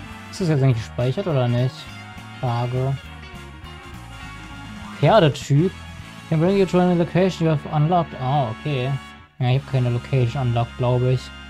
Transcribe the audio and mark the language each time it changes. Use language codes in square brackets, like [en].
[de] Ist das jetzt eigentlich gespeichert oder nicht? Frage. Pferdetyp. [en] I can bring you to any location you have unlocked. Ah, okay. [de] Ja, ich habe keine Location unlocked, glaube ich.